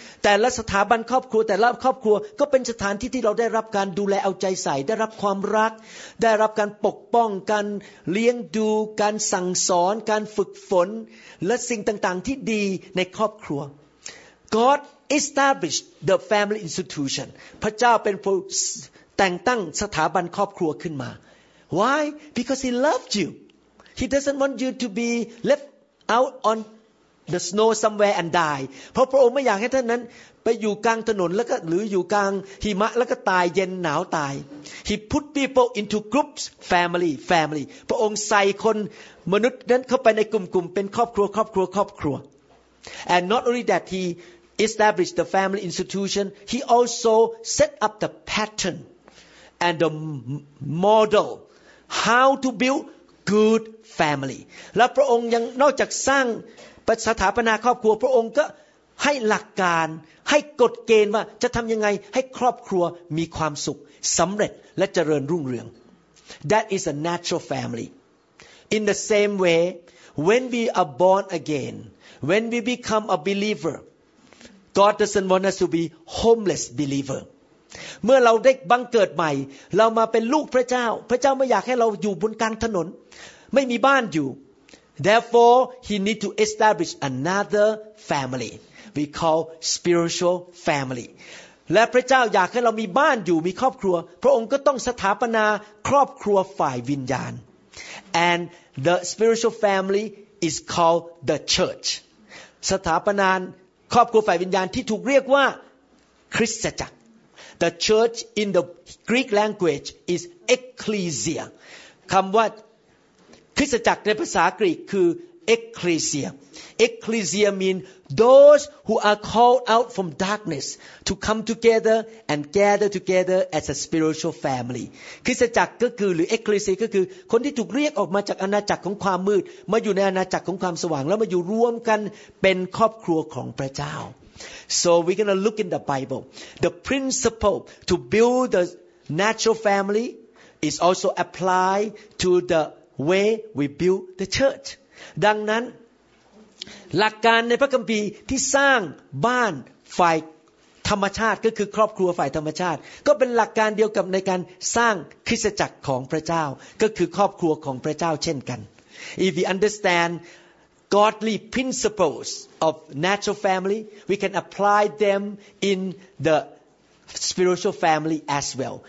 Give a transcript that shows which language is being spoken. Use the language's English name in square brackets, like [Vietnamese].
[Thai] แต่ละสถาบันครอบครัวแต่ละครอบครัวก็เป็นสถานที่ที่เราได้รับการดูแลเอาใจใส่ได้รับความรักได้รับการปกป้องการเลี้ยงดูการสั่งสอนการฝึกฝนและสิ่งต่างๆที่ดีในครอบครัว [English] God established the family institution. [Thai] พระเจ้าเป็นผู้แต่งตั้งสถาบันครอบครัวขึ้นมา [English] Why? Because he loved you. He doesn't want you to be left out on the snow somewhere and die. [Thai] เพราะพระองค์ไม่อยากให้ท่านนั้นไปอยู่กลางถนนแล้วก็หรืออยู่กลางหิมะแล้วก็ตายเย็นหนาวตาย [English] He put people into groups, family. [Thai] พระองค์ใส่คนมนุษย์นั้นเข้าไปในกลุ่มเป็นครอบครัว [English] And not only that, he established the family institution. He also set up the pattern and the model how to buildGood family. [Thai] และพระองค์ยังนอกจากสร้างสถาปนาครอบครัวพระองค์ก็ให้หลักการให้กฎเกณฑ์ว่าจะทำยังไงให้ครอบครัวมีความสุขสำเร็จและเจริญรุ่งเรือง [English] That is a natural family. In the same way, when we are born again, when we become a believer, God doesn't want us to be homeless believer. [Thai] เมื่อเราได้บังเกิดใหม่เรามาเป็นลูกพระเจ้าไม่อยากให้เราอยู่บนกลางถนน ไม่มีบ้านอยู่ [English] therefore he need to establish another family we call spiritual family [Thai] และพระเจ้าอยากให้เรามีบ้านอยู่มีครอบครัวพระองค์ก็ต้องสถาปนาครอบครัวฝ่ายวิญญาณ [English] and the spiritual family is called the church [Thai] สถาปนาครอบครัวฝ่ายวิญญาณที่ถูกเรียกว่าคริสตจักร [English] The church in the Greek language is ecclesia. [Thai] คำว่าคริสตจักรในภาษากรีกคือ ecclesia. [English] Ecclesia means those who are called out from darkness to come together and gather together as a spiritual family. [Thai] คริสตจักรก็คือหรือ ecclesia ก็คือคนที่ถูกเรียกออกมาจากอาณาจักรของความมืดมาอยู่ในอาณาจักรของความสว่างแล้วมาอยู่รวมกันเป็นครอบครัวของพระเจ้า [English] So we're going to look in the Bible. The principle to build the natural family is also applied to the way we build the church. [Thai] ดังนั้นหลักการในพระคัมภีร์ที่สร้างบ้านฝ่ายธรรมชาติก็คือครอบครัวฝ่ายธรรมชาติก็เป็นหลักการเดียวกับในการสร้างคริสตจักรของพระเจ้าก็คือครอบครัวของพระเจ้าเช่นกัน [English] If we understandGodly principles of natural family, we can apply them in the spiritual family as well.